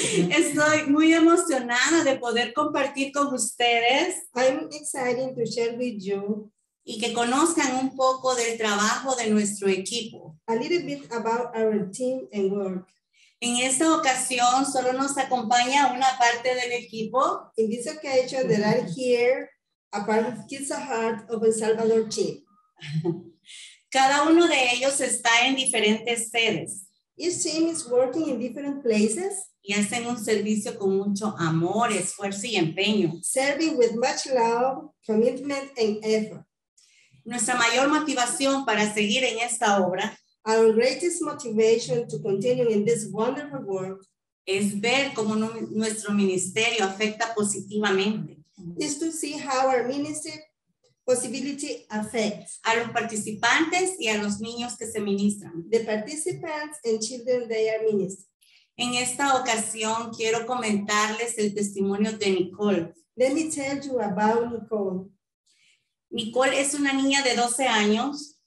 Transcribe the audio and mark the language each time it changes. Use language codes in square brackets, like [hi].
[es] Estoy muy emocionada de poder compartir con ustedes. [en] I'm excited to share with you. [es] Y que conozcan un poco del trabajo de nuestro equipo. [en] A little bit about our team and work. [es] En esta ocasión solo nos acompaña una parte del equipo. [en] In this occasion, there are here a part of Kids Are Heart of El Salvador team. [es] Cada uno de ellos está en diferentes sedes. [en] Each team is working in different places. [es] Y hacen un servicio con mucho amor, esfuerzo y empeño. [en] Serving with much love, commitment and effort. [es] Nuestra mayor motivación para seguir en esta obra. [en] Our greatest motivation to continue in this wonderful work [es] es ver cómo nuestro ministerio afecta positivamente. [en] Is to see how our ministry possibility affects [es] a los participantes y a los niños que se ministran. [en] The participants and children they are ministering. [es] En esta ocasión quiero comentarles el testimonio de Nicole. [en] Let me tell you about Nicole. [es] Nicole es una niña de 12 años.